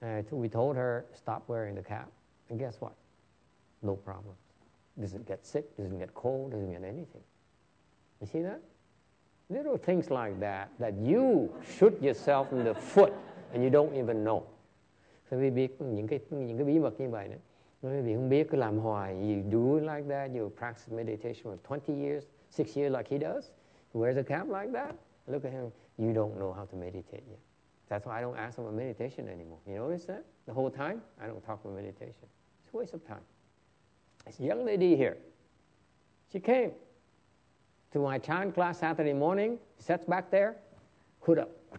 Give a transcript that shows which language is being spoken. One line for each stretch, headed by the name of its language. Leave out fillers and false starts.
English: We told her, stop wearing the cap. And guess what? No problems. Doesn't get sick, doesn't get cold, doesn't get anything. You see that? Little things like that, that you shoot yourself in the foot and you don't even know. So we
Vietnamese: biết những cái bí mật như vậy đó. Nói vì không biết cứ làm hoài.
English: You do it like that, you practice meditation for 20 years, 6 years like he does. He wears a cap like that. Look at him. You don't know how to meditate yet. That's why I don't ask him about meditation anymore. You notice that? The whole time, I don't talk about meditation. It's a waste of time. This young lady here, she came to my chant class Saturday morning, sits back there, hood up.